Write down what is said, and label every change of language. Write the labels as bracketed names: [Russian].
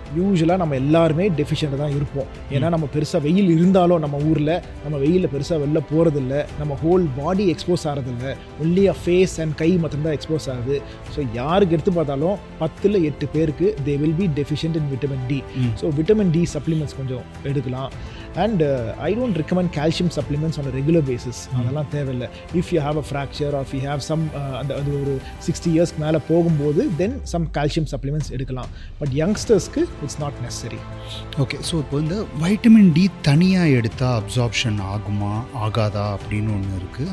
[Tamil] யூஸ்வலாக நம்ம எல்லாருமே டெஃபிஷியன்ட் தான் இருப்போம், ஏன்னா நம்ம பெருசாக வெயில் இருந்தாலும் நம்ம ஊரில் நம்ம வெயிலில் பெருசாக வெளில போகிறதில்லை, நம்ம whole body expose ஆகிறதில்லை, ஒன்லியாக face and கை மட்டும்தான் எக்ஸ்போஸ் ஆகுது. [English] so [Tamil] யாருக்கு எடுத்து பார்த்தாலும் [English] 10 to 8 பேருக்கு they will be deficient in vitamin D. [Tamil] So vitamin D supplements கொஞ்சம் எடுக்கலாம். [English] And I don't recommend calcium supplements on a regular basis. [Tamil] அதெல்லாம் தேவையில்லை. [English] If you have a fracture or if you have some [Tamil] அது ஒரு 60 years மேலே போகும்போது [English] then some calcium supplements [Tamil] எடுக்கலாம். [English] But youngsters-க்கு it's not necessary. [Tamil] Okay, so இப்போ இந்த vitamin D தனியாக எடுத்தால் அப்சார்ப்ஷன் ஆகுமா ஆகாதா அப்படின்னு ஒன்று இருக்குது.